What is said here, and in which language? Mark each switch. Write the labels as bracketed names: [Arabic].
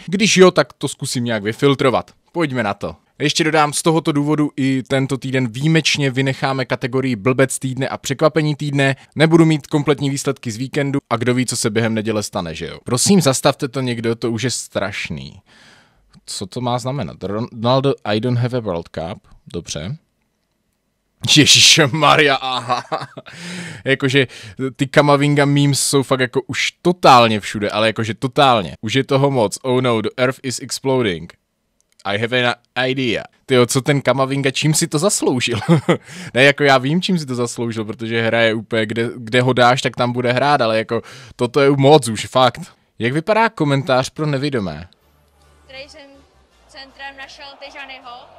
[Czech] Když jo, tak to zkusím nějak vyfiltrovat. Pojďme na to. Ještě dodám, z tohoto důvodu i tento týden výjimečně vynecháme kategorii blbec týdne a překvapení týdne. Nebudu mít kompletní výsledky z víkendu a kdo ví, co se během neděle stane, že jo. Prosím, zastavte to někdo, to už je strašný. Co to má znamenat? [English] Ronaldo, I don't have a World Cup. [Czech] Dobře. Ježišmarja, aha. Jakože ty Kamavinga memes jsou fakt jako už totálně všude, ale jakože totálně. Už je toho moc. [English] Oh no, the earth is exploding. I have an idea. [Czech] Tyjo, co ten Kamavinga, čím si to zasloužil? Ne, jako já vím, čím si to zasloužil, protože hra je úplně, kde ho dáš, tak tam bude hrát, ale jako toto je moc už, fakt. Jak vypadá komentář pro nevidomé? Který jsem centrem našel Tyžanyho.